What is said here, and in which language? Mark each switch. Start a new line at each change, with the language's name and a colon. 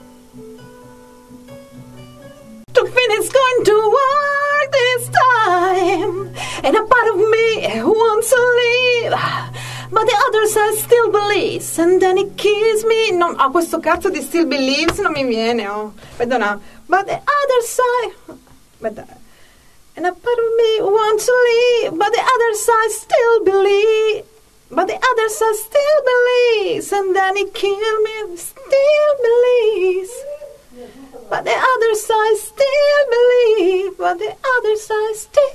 English: To think it's going to work this time, and a part of me wants to leave, but the other side still believes, and then he kills me.
Italian: No, a questo cazzo di
English: still believes
Italian: non mi viene, oh, perdona.
English: But the other side, and a part of me wants to leave, but the other side still believes, but the other side still believes, and then he kills me, still believes. But the other side still believe, but the other side still.